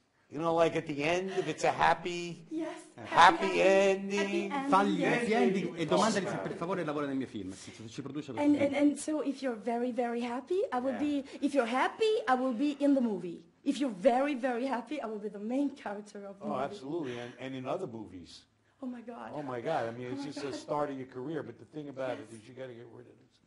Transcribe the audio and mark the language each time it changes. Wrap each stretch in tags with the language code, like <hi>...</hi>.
<en>You know, like at the end, if it's a happy, yes. happy ending.</en> <it>E domandali se per favore lavora nel mio film, se ci produce.</it> <en>And so if you're very, very happy, I will be, if you're happy, I will be in the movie. If you're very, very happy, I will be the main character of the movie. Oh, absolutely, and in other movies. Oh, my God. Oh, my God. I mean, it's just a start of your career, but the thing about it is you got to get rid of it.</en>